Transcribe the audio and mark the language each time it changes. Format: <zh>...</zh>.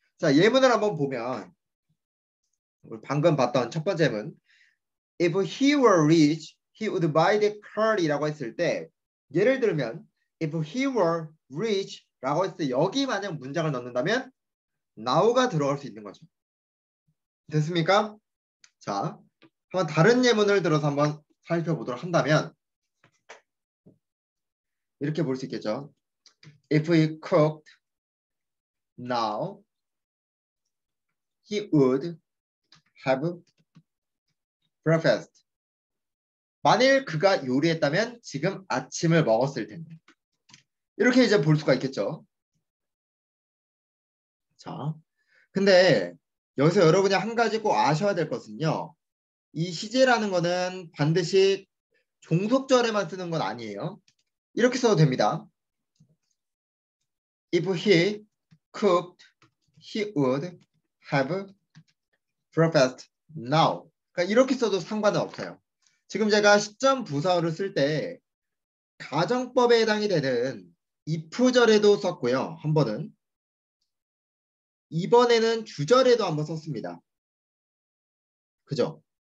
<ko>자, 예문을 한번 보면 우리 방금 봤던 첫 번째 예문</ko> <en>if he were rich, he would buy the car</en> <ko>이라고 했을 때 예를 들면</ko> <en>if he were rich</en> <ko>라고 했을 때 여기 만약 문장을 넣는다면 now가 들어갈 수 있는 거죠. 됐습니까? 자, 한번 다른 예문을 들어서 한번 살펴보도록 한다면 이렇게 볼 수 있겠죠.</ko> <en>If he cooked now, he would have breakfast.</en> <ko>만일 그가 요리했다면 지금 아침을 먹었을 텐데. 이렇게 이제 볼 수가 있겠죠. 자, 근데 여기서 여러분이 한 가지 꼭 아셔야 될 것은요. 이 시제라는 거는 반드시 종속절에만 쓰는 건 아니에요. 이렇게 써도 됩니다.</ko> <en>If he cooked, he would have breakfast now.</en> <ko>그러니까 이렇게 써도 상관은 없어요. 지금 제가 시점 부사어를 쓸 때 가정법에 해당이 되는 if절에도 썼고요. 한 번은. 이번에는 주절에도 한번 썼습니다. 그죠?</ko>